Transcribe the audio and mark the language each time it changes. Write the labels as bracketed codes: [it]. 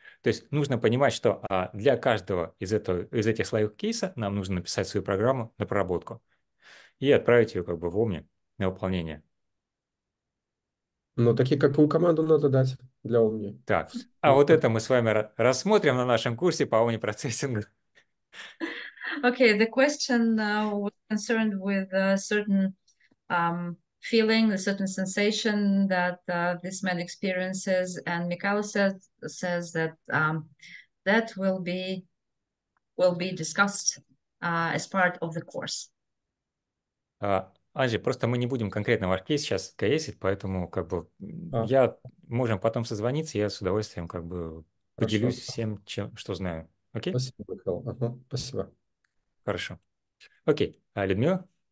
[ru] То есть нужно понимать, что для каждого из этих слоев кейса нам нужно написать свою программу на проработку и отправить ее как бы в Omni на выполнение. Ну, такие, какую команду надо дать для Omni? Так, а вот это мы с вами рассмотрим на нашем курсе по Omni процессингу. [en] Okay, the question was concerned with a certain feeling, a certain sensation that this man experiences, and Mikhail says that that will be discussed as part of the course. [ru] Анжи, просто мы не будем конкретно ваш кейс сейчас кейсить, поэтому как бы можем потом созвониться, я с удовольствием как бы поделюсь всем, чем, что знаю. Окей? Спасибо, Михаил. Спасибо. Хорошо. Окей. А Людмила?